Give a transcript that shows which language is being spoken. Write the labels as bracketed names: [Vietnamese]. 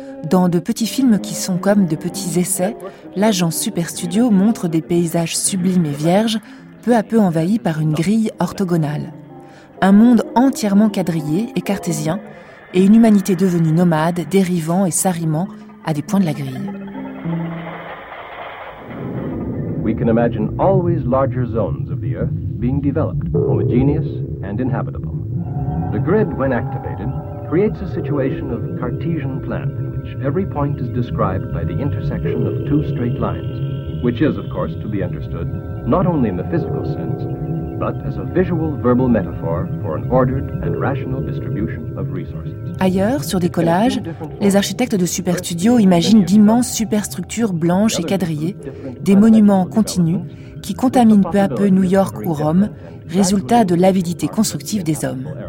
[French] Dans de petits films qui sont comme de petits essais, l'agence Super Studio montre des paysages sublimes et vierges, peu à peu envahis par une grille orthogonale. Un monde entièrement quadrillé et cartésien, et une humanité devenue nomade, dérivant et s'arrimant à des points de la grille. [English] We can imagine always larger zones of the earth being developed, homogeneous and inhabitable. The grid, when activated, creates a situation of Cartesian plan. Every point is described by the intersection of two straight lines, which is, of course, to be understood not only in the physical sense, but as a visual verbal metaphor for an ordered and rational distribution of resources. [French] Ailleurs, sur des collages, les architectes de superstudios imaginent d'immenses superstructures blanches et quadrillées, des monuments continus qui contaminent peu à peu New York ou Rome, résultat de l'avidité constructive des hommes.